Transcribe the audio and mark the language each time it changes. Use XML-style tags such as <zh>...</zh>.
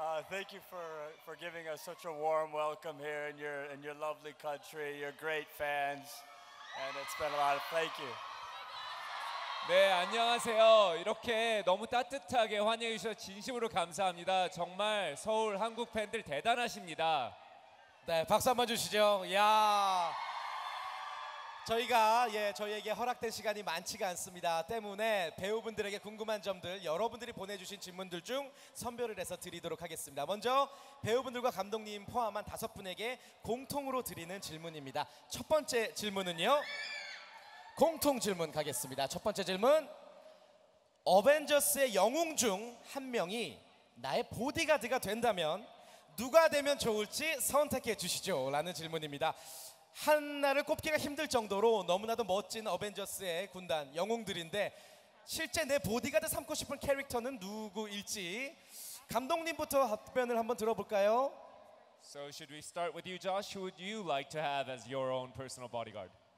<en>Thank you for giving us such a warm welcome here in your lovely country. You're great fans, and it's been a lot of thank you.</en> <ko>네, 안녕하세요. 이렇게 너무 따뜻하게 환영해 주셔서 진심으로 감사합니다. 정말 서울 한국 팬들 대단하십니다. 네, 박수 한번 주시죠. 야. 저희가 예 저희에게 허락된 시간이 많지가 않습니다. 때문에 배우분들에게 궁금한 점들 여러분들이 보내주신 질문들 중 선별을 해서 드리도록 하겠습니다. 먼저 배우분들과 감독님 포함한 다섯 분에게 공통으로 드리는 질문입니다. 첫 번째 질문은요. 공통 질문 가겠습니다. 첫 번째 질문. 어벤져스의 영웅 중 한 명이 나의 보디가드가 된다면 누가 되면 좋을지 선택해 주시죠. 라는 질문입니다. 하나를 꼽기가 힘들 정도로 너무나도 멋진 어벤져스의 군단 영웅들인데 실제 내 보디가드 삼고 싶은 캐릭터는 누구일지 감독님부터 답변을 한번 들어볼까요?</ko> <en>So should we start with you, Josh? Who would you like to have as your own personal bodyguard?</en>